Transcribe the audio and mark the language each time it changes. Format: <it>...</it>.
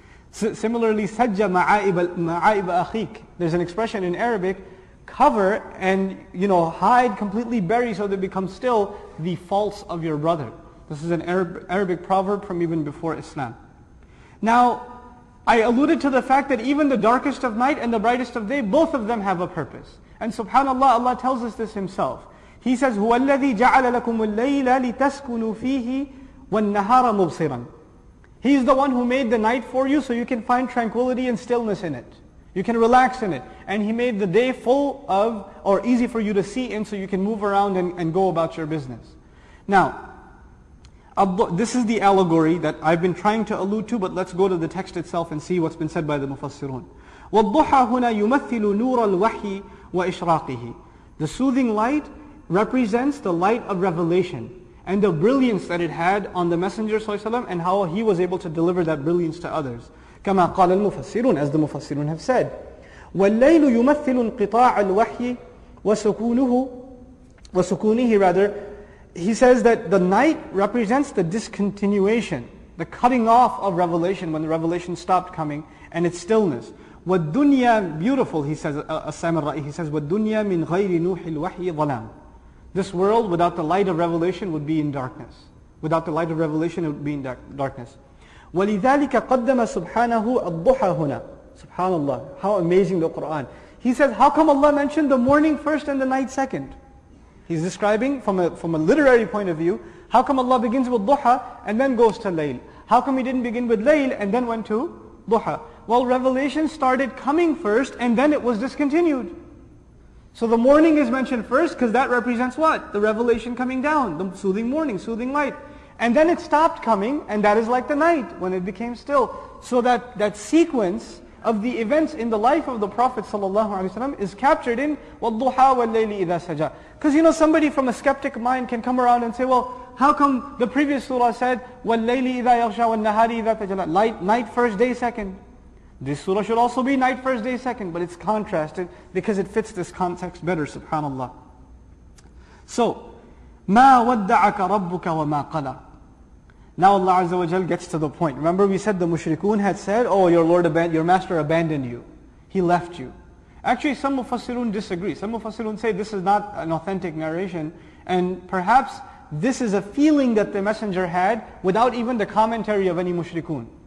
<en>Similarly, sajja ma'aib akhik. There's an expression in Arabic, cover and, you know, hide, completely bury so they become still the faults of your brother. This is an Arabic proverb from even before Islam. Now, I alluded to the fact that even the darkest of night and the brightest of day, both of them have a purpose. And subhanAllah, Allah tells us this Himself. He says,</en> <ar>هُوَ الَّذِي جَعَلَ لَكُمُ اللَّيْلَ لِتَسْكُنُوا فِيهِ وَالنَّهَارَ مُبْصِرًا.</ar> <en>He is the one who made the night for you so you can find tranquility and stillness in it. You can relax in it. And He made the day full of, or easy for you to see in, so you can move around and go about your business. Now, this is the allegory that I've been trying to allude to, but let's go to the text itself and see what's been said by the Mufassirun.</en> <ar>وَالضُّحَى هُنَا يُمَثِّلُ نُورَ الْوَحْيِ وَإِشْرَاقِهِ.</ar> <en>The soothing light represents the light of revelation and the brilliance that it had on the Messenger ﷺ and how he was able to deliver that brilliance to others.</en> <ar>كَمَا قَالَ الْمُفَسِّرُونَ,</ar> <en>as the Mufassirun have said.</en> <ar>وَاللَّيْلُ يُمَثِّلُ انْقِطَاعَ الْوَحْيِ وَسُكُونِهِ rather.</ar> <en>He says that the night represents the discontinuation, the cutting off of revelation when the revelation stopped coming, and its stillness.</en> <ar>وَالدُّنْيَا,</ar> <en>beautiful, he says, as-samirai, he says,</en> <ar>وَالدُّنْيَا مِنْ غَيْرِ نُوحِ الْوَحْيِ ظَلَامُ.</ar> <en>This world without the light of revelation would be in darkness. Without the light of revelation it would be in darkness.</en> <ar>وَلِذَلِكَ قَدَّمَ سُبْحَانَهُ الضُّحَى هُنَا. Subhanallah,</ar> <en>how amazing the Qur'an. He says, how come Allah mentioned the morning first and the night second? He's describing from a literary point of view, how come Allah begins with duha and then goes to layl? How come He didn't begin with layl and then went to duha? Well, revelation started coming first and then it was discontinued. So the morning is mentioned first because that represents what? The revelation coming down, the soothing morning, soothing light. And then it stopped coming, and that is like the night when it became still. So that sequence of the events in the life of the Prophet ﷺ is captured in</en> <ar>وَالضُّحَى وَاللَّيْلِ إِذَا سَجَى.</ar> <en>Because you know, somebody from a skeptic mind can come around and say, well, how come the previous surah said</en> <ar>وَاللَّيْلِ إِذَا يَغْشَى وَالنَّهَارِ إِذَا تَجَلَى,</ar> <en>light, night, first, day, second. This surah should also be night, first, day, second, but it's contrasted because it fits this context better, subhanAllah. So,</en> <ar>مَا وَدَّعَكَ رَبُّكَ وَمَا قَلَى.</ar> <en>Now Allah Azza wa Jal gets to the point. Remember we said the mushrikun had said, oh, your master abandoned you. He left you. Actually, some mufassirun disagree. Some mufassirun say this is not an authentic narration, and perhaps this is a feeling that the messenger had without even the commentary of any mushrikun.</en>